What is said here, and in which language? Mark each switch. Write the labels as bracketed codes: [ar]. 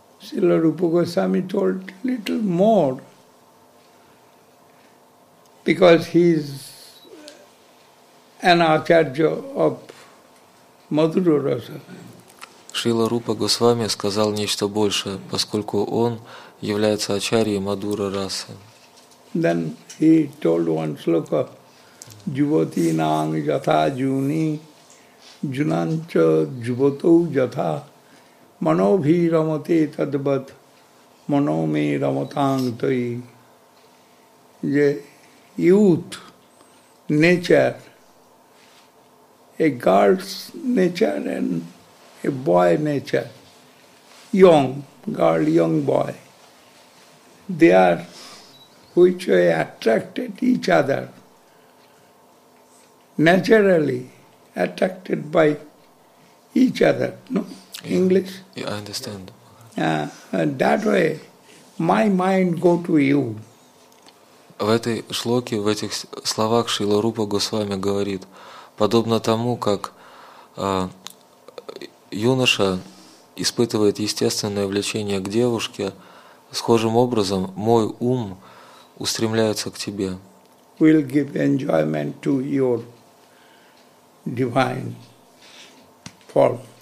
[en] Srila Rupa Goswami told little more because he is an acharya of Madhura Rasa. [ru] Шрила Рупа Госвами сказал нечто большее, поскольку он является ачарьей Мадура Расы. [en] Then he told one shloka, [sa] Juvati nang jatha juni, junancha juvatau jatha, mano bhi ramate tadbat, mano me ramatang tai. [en] Je youth, nature, a girl's nature and a boy nature, young girl, young boy, they are which way attracted each other, naturally attracted by each other, no? Yeah. English? Yeah, I understand. That way, my mind go to you. [ru] В этой шлоке, в этих словах Шрила Рупа Госвами говорит, подобно тому, как юноша испытывает естественное влечение к девушке, схожим образом мой ум устремляется к тебе. [en] Will give enjoyment to your divine form.